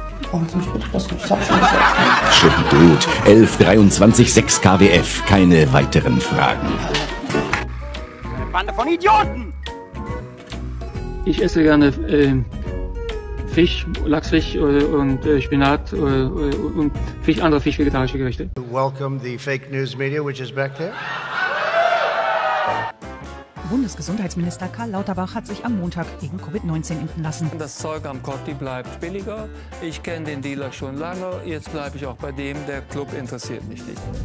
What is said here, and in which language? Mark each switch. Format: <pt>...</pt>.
<de>Schon gut. 11, 23, 6 KWF. Keine weiteren Fragen. Eine Bande von Idioten! Ich esse gerne Fisch, Lachsfisch und Spinat und Fisch, andere Fisch, vegetarische Gerichte.</de> <en>Welcome the fake news media, which is back there.</en> <de>Bundesgesundheitsminister Karl Lauterbach hat sich am Montag gegen Covid-19 impfen lassen. Das Zeug am Kotti bleibt billiger. Ich kenne den Dealer schon lange. Jetzt bleibe ich auch bei dem. Der Club interessiert mich nicht.</de>